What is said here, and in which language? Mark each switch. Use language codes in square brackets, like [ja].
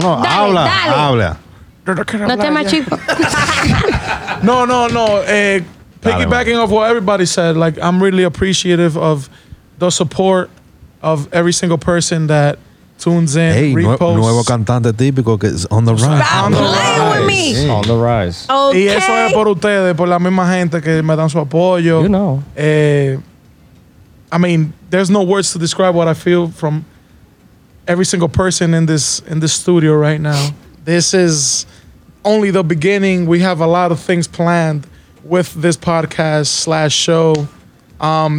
[es] Habla. No te machico. No. [en] Piggybacking off what everybody said, like, I'm really appreciative of the support of every single person that tunes in, reposts. [es] Nuevo cantante típico que es [en] on the rise. Stop playing with me. Hey. On the rise. Okay. [es] Y eso es por ustedes, por la misma gente que me dan su apoyo. [en] You know. I mean, there's no words to describe what I feel from every single person in this studio right now. This is only the beginning. We have a lot of things planned with this podcast / show.